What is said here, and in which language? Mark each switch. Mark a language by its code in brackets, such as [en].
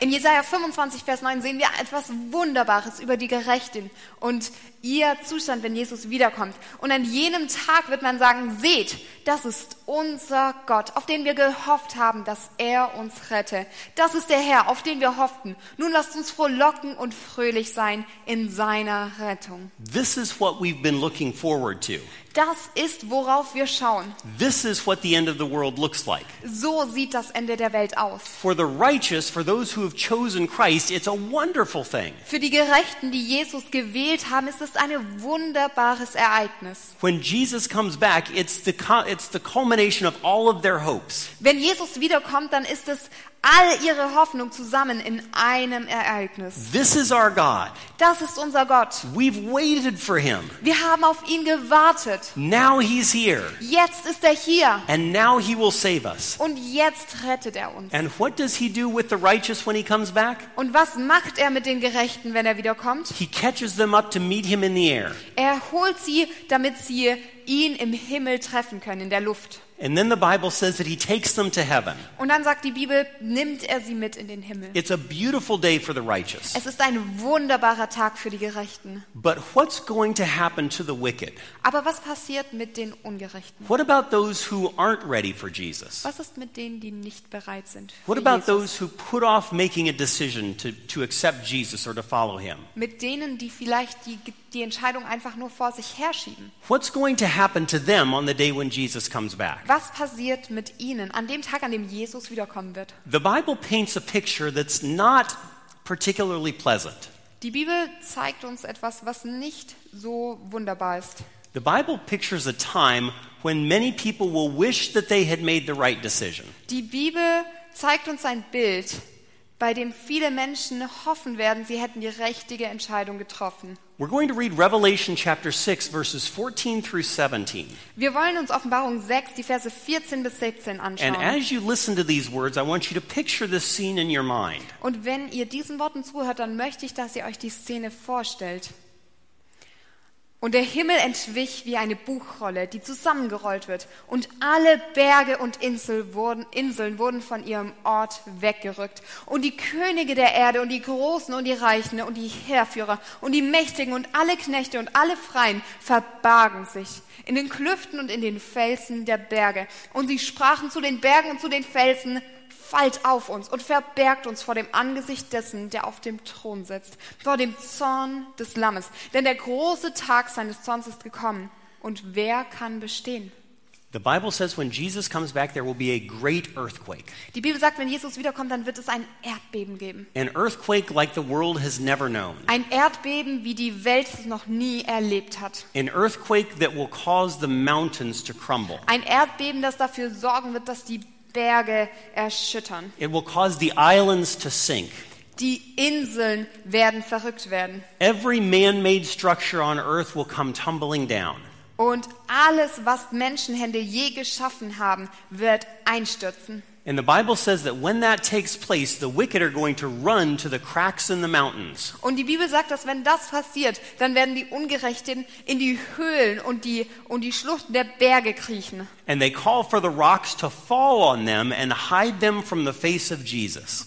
[de] In Jesaja 25 Vers 9 sehen wir etwas Wunderbares über die Gerechten und ihr Zustand, wenn Jesus wiederkommt. Und an jenem Tag wird man sagen, seht, das ist unser Gott, auf den wir gehofft haben, dass er uns rette. Das ist der Herr, auf den wir hofften. Nun lasst uns frohlocken und fröhlich sein in seiner Rettung. [en] This is what we've been looking forward to. [de] Das ist, worauf wir schauen. [en] This is what the end of the world looks like. [de] So sieht das Ende der Welt aus. [en] For the righteous, for those who have chosen Christ, it's a wonderful thing. [de] Für die Gerechten, die Jesus gewählt haben, ist es ein wunderbares Ereignis. [en] When Jesus comes back, it's the culmination of all of their hopes. [de] Wenn Jesus wiederkommt, dann ist es all ihre Hoffnung zusammen in einem Ereignis. [en] This is our God. [de] Das ist unser Gott. [en] We've waited for him. [de] Wir haben auf ihn gewartet. [en] Now he's here. [de] Jetzt ist er hier. [en] And now he will save us. [de] Und jetzt rettet er uns. [en] And what does he do with the righteous when he comes back? [de] Und was macht er mit den Gerechten, wenn er wiederkommt? [en] He catches them up to meet him in the air. [de] Er holt sie, damit sie ihn im Himmel treffen können, in der Luft. [en] And then the Bible says that he takes them to heaven. [de] Und dann sagt die Bibel, nimmt er sie mit in den Himmel. [en] It's a beautiful day for the righteous. [de] Es ist ein wunderbarer Tag für die Gerechten. [en] But what's going to happen to the wicked? [de] Aber was passiert mit den Ungerechten? [en] What about those who aren't ready for Jesus? [de] Was ist mit denen, die nicht bereit sind für Jesus? [en] What about those who put off making a decision to accept Jesus or to follow him? [de] Mit denen, die vielleicht die Entscheidung einfach nur vor sich herschieben. [en] What's going to happen to them on the day when Jesus comes back? [de] Was passiert mit ihnen an dem Tag, an dem Jesus wiederkommen wird? [en] The Bible paints a picture that's not particularly pleasant. [de] Die Bibel zeigt uns etwas, was nicht so wunderbar ist. [en] The Bible pictures a time when many people will wish that they had made the right decision. [de] Die Bibel zeigt uns ein Bild, bei dem viele Menschen hoffen werden, sie hätten die richtige Entscheidung getroffen. [en] We're going to read Revelation chapter 6 verses 14 through 17. [de] Wir wollen uns Offenbarung 6 die Verse 14 bis 17 anschauen. [en] And as you listen to these words, I want you to picture this scene in your mind. [de] Und wenn ihr diesen Worten zuhört, dann möchte ich, dass ihr euch die Szene vorstellt. Und der Himmel entwich wie eine Buchrolle, die zusammengerollt wird. Und alle Berge und Inseln wurden von ihrem Ort weggerückt. Und die Könige der Erde und die Großen und die Reichen und die Heerführer und die Mächtigen und alle Knechte und alle Freien verbargen sich in den Klüften und in den Felsen der Berge. Und sie sprachen zu den Bergen und zu den Felsen, fallt auf uns und verbergt uns vor dem Angesicht dessen, der auf dem Thron sitzt, vor dem Zorn des Lammes. Denn der große Tag seines Zorns ist gekommen. Und wer kann bestehen? [en] The Bible says, when Jesus comes back, there will be a great earthquake. [de] Die Bibel sagt, wenn Jesus wiederkommt, dann wird es ein Erdbeben geben. [en] An earthquake like the world has never known. [de] Ein Erdbeben, wie die Welt es noch nie erlebt hat. [en] An earthquake that will cause the mountains to crumble. [de] Ein Erdbeben, das dafür sorgen wird, dass die Berge erschüttern. [en] It will cause the islands to sink. [de] Die Inseln werden verrückt werden. [en] Every man-made structure on earth will come tumbling down. [de] Und alles, was Menschenhände je geschaffen haben, wird einstürzen. [en] And the Bible says that when that takes place, the wicked are going to run to the cracks in the mountains. [de] Und die Bibel sagt, dass wenn das passiert, dann werden die Ungerechten in die Höhlen und die Schluchten der Berge kriechen. [en] And they call for the rocks to fall on them and hide them from the face of Jesus.